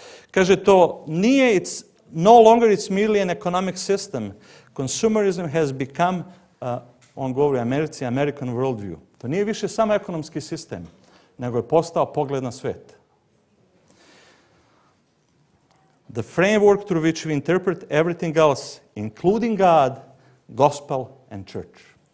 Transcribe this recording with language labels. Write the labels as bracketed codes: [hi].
[sr] Kaže to, nije, [en] it's no longer it's merely an economic system. Consumerism has become [sr] on govori Americi, [en] American worldview. [sr] To nije više samo ekonomski sistem, nego je postao pogled na svet. [en] The framework through which we interpret everything else, including God, gospel and church.